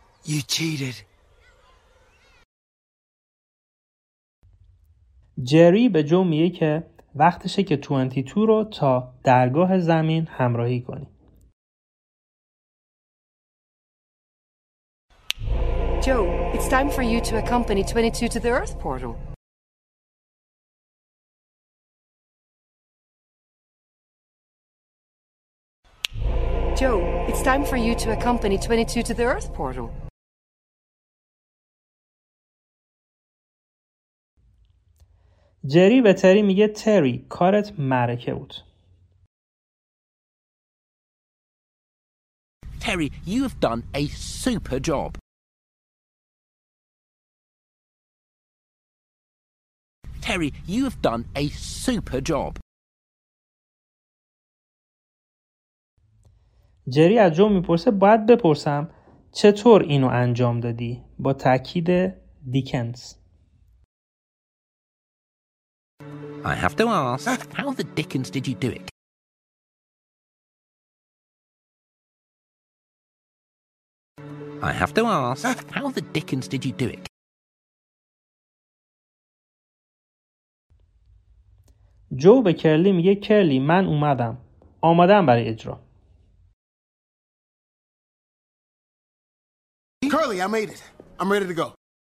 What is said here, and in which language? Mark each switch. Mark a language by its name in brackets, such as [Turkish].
[English] You cheated. [Persian] جری به جو میگه که وقتشه که 22 رو تا درگاه زمین همراهی کنی. [English] Joe, it's time for you to accompany 22 to the Earth portal. Joe, it's time for you to accompany 22 to the Earth portal. [Persian] جری به تری میگه تری کارت معرکه بود. [English] Terry you have done a super job. [Persian] تری [English] Terry, you have done a super job. [Persian] جری از جو میپرسه باید بپرسم چطور اینو انجام دادی؟ با تأکید دیکنز. [English] I have to ask, how the dickens did you do it? I have to ask, how the dickens did you do it? [Persian] جو به کرلی میگه کرلی من اومدم. آمدم برای اجرا. [English] Curly, I made it. I'm ready to go.